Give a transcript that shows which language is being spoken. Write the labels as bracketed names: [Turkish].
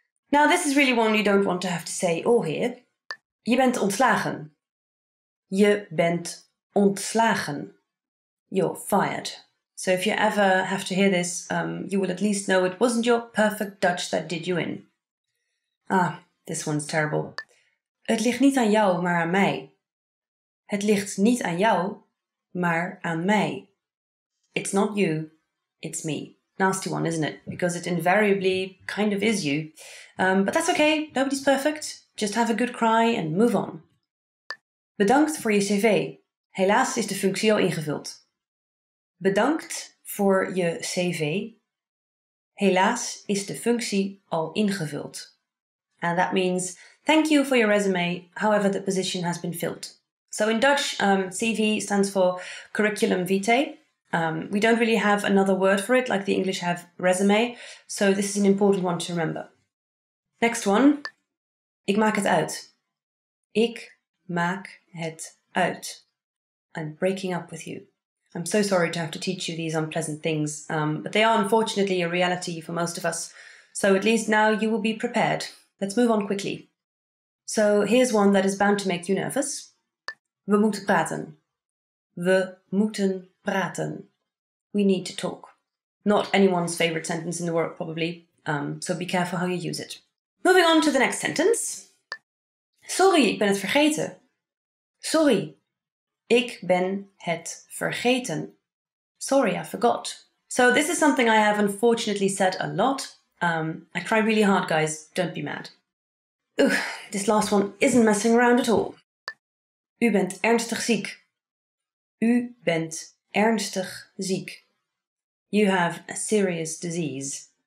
[English] Now, this is really one you don't want to have to say or hear. [Dutch] Je bent ontslagen. Je bent ontslagen. [English] You're fired. So if you ever have to hear this, you will at least know it wasn't your perfect Dutch that did you in. Ah, this one's terrible. [Dutch] Het ligt niet aan jou, maar aan mij. Het ligt niet aan jou, maar aan mij. [English] It's not you, it's me. Nasty one, isn't it? Because it invariably kind of is you. But that's okay, nobody's perfect. Just have a good cry and move on. [Dutch] Bedankt voor je cv. Helaas is de functie al ingevuld. Bedankt voor je cv. Helaas is de functie al ingevuld. [English] And that means, thank you for your resume, however the position has been filled. So in Dutch, CV stands for curriculum vitae. We don't really have another word for it, like the English have resume. So this is an important one to remember. Next one. [Dutch] Ik maak het uit. Ik maak het uit. [English] I'm breaking up with you. I'm so sorry to have to teach you these unpleasant things, but they are unfortunately a reality for most of us. So at least now you will be prepared. Let's move on quickly. So here's one that is bound to make you nervous. [Dutch] We moeten praten. We moeten praten. [English] We need to talk. Not anyone's favorite sentence in the world, probably. So be careful how you use it. Moving on to the next sentence. [Dutch] Sorry, ik ben het vergeten. Sorry, ik ben het vergeten. [English] Sorry, I forgot. So this is something I have unfortunately said a lot. I try really hard, guys. Don't be mad. Ugh, this last one isn't messing around at all. [Dutch] U bent ernstig ziek. U bent ernstig ziek. [English] You have a serious disease.